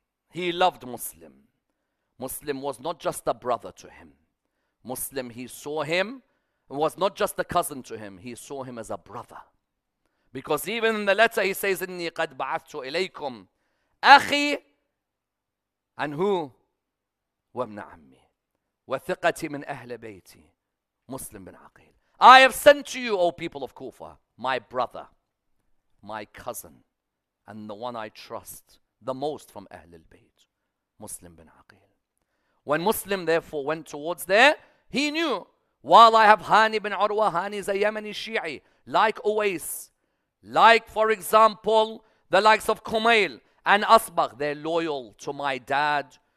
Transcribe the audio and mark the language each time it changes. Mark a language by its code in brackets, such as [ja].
[en] He loved Muslim. Muslim was not just a brother to him. Muslim, he saw him, was not just a cousin to him. He saw him as a brother. Because even in the letter, he says, [ar] إني قد بعثت إليكم أخي [en] and who? [ar] وابن عمي وثقتي من أهل بيتي مسلم بن عقيل. [en] I have sent to you, O people of Kufa, my brother, my cousin, and the one I trust the most from أهل البيت, مسلم بن عقيل. When Muslim therefore went towards there, he knew, while I have Hani bin Urwa, Hani is a Yemeni Shi'i, like Uwais, like, for example, the likes of Kumail and Asbagh, they're loyal to my dad.